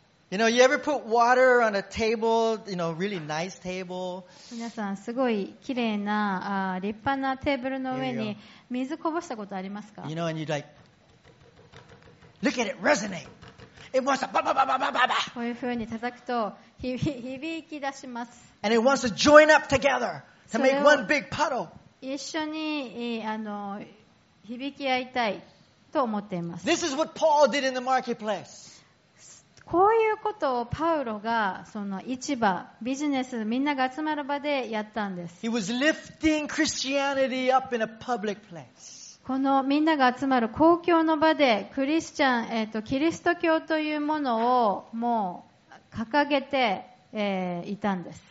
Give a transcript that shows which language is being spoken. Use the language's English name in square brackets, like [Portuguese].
[English] You know, you ever put water on a table, you know, really nice table? [Japanese] 皆さん、すごい綺麗な、立派なテーブルの上に水こぼしたことありますか? [English] You know, and you'd like, look at it, resonate. It wants to ba ba ba ba ba ba ba. [Japanese] こういう風に叩くと、響き出します。 [English] And it wants to join up together to make one big puddle. [Japanese] 一緒に、響き合いたいと思っています。 [English] This is what Paul did in the marketplace. [Japanese] こういうことをパウロがその市場、ビジネス、みんなが集まる場でやったんです。 [English] He was lifting Christianity up in a public place. [Japanese] このみんなが集まる公共の場でクリスチャン、キリスト教というものをもう掲げて、いたんです。